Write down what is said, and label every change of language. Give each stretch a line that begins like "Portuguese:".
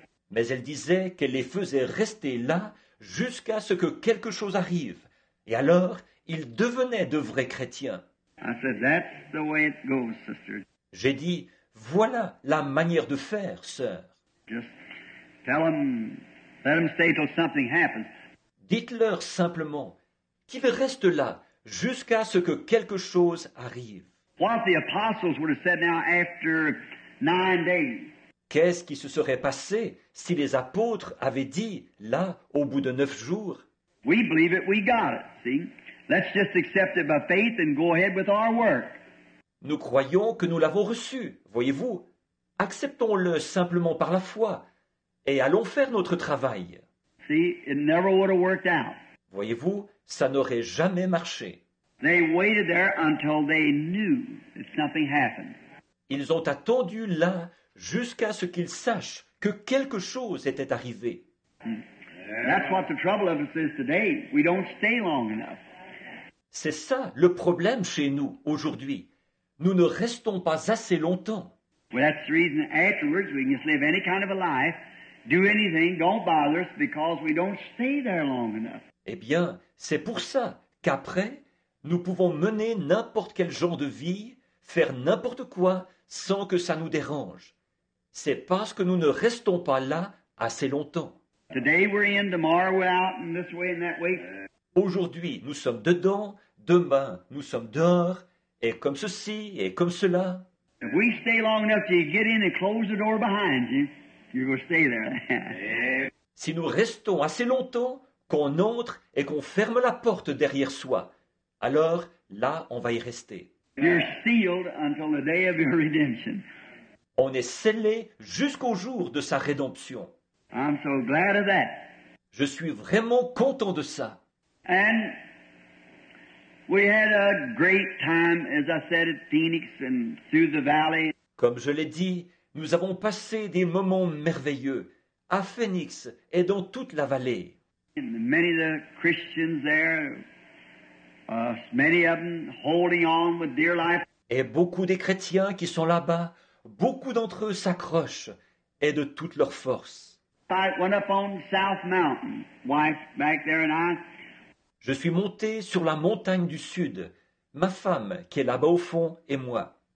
French: Mais elle disait qu'elle les faisait rester là jusqu'à ce que quelque chose arrive. Et alors, ils devenaient de vrais chrétiens.
English: I said, that's the way it goes, sister.
French: J'ai dit, voilà la manière de faire, sœur.
English: Just tell them, let them stay till something happens.
French: Dites-leur simplement qu'ils restent là jusqu'à ce que quelque chose arrive.
English: What the apostles would have said now after 9 days.
French: Qu'est-ce qui se serait passé si les apôtres avaient dit là au bout de 9 jours?
English: We believe it, we got it. See? Let's just accept it by faith and go ahead with our work.
French: Nous croyons que nous l'avons reçu, voyez-vous. Acceptons-le simplement par la foi et allons faire notre travail.
English: See, it never would have worked out.
French: Voyez-vous, ça n'aurait jamais marché.
English: They waited there until they knew that something happened.
French: Ils ont attendu là jusqu'à ce qu'ils sachent que quelque chose était arrivé.
English: That's what the trouble of us is today. We don't stay long enough.
French: C'est ça le problème chez nous aujourd'hui. Nous ne restons pas assez longtemps.
English: Well, that's the reason afterwards we can just live any kind of a life, do anything, don't bother us because we don't stay there long enough.
French: Eh bien, c'est pour ça qu'après, nous pouvons mener n'importe quel genre de vie, faire n'importe quoi sans que ça nous dérange. C'est parce que nous ne restons pas là assez longtemps.
English: Today we're in, tomorrow we're out, and this way and that way.
French: Aujourd'hui, nous sommes dedans, demain, nous sommes dehors, et comme ceci, et comme cela.
English: If we stay long enough till you get in and close the door behind you, you're going to stay there.
French: Si nous restons assez longtemps, qu'on entre et qu'on ferme la porte derrière soi, alors là, on va y rester.
English: You're sealed until the day of your redemption.
French: On est scellé jusqu'au jour de sa rédemption.
English: I'm so glad of that.
French: Je suis vraiment content de ça.
English: And we had a great time, as I said, at Phoenix and through the valley.
French: Comme je l'ai dit, nous avons passé des moments merveilleux à Phoenix et dans toute la vallée.
English: And many of the Christians there, many of them holding on with dear life.
French: Et beaucoup des chrétiens qui sont là-bas, beaucoup d'entre eux s'accrochent et de toute leur force.
English: I went up on South Mountain, wife back there and I.
French: Je suis monté sur la montagne du sud, ma femme qui est là-bas au fond et moi.